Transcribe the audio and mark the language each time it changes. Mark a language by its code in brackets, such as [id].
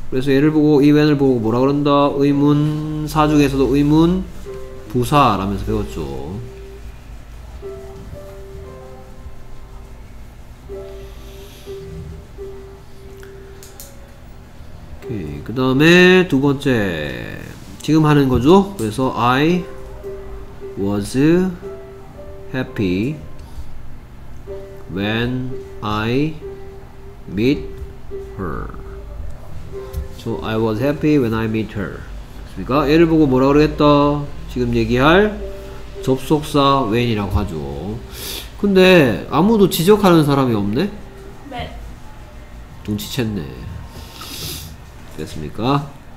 [ko] 그래서 얘를 보고 이 when을 보고 뭐라 그런다. 의문사 중에서도 의문 부사라면서 배웠죠. 그 다음에 두 번째 지금 하는 거죠. [en] 그래서 I was happy when I meet her. So I was happy when I meet her. [ko] 그러니까 얘를 보고 뭐라 그러겠다. 지금 얘기할 접속사 when이라고 하죠. 근데 아무도 지적하는 사람이 없네. 네. 눈치챘네. 됐습니까?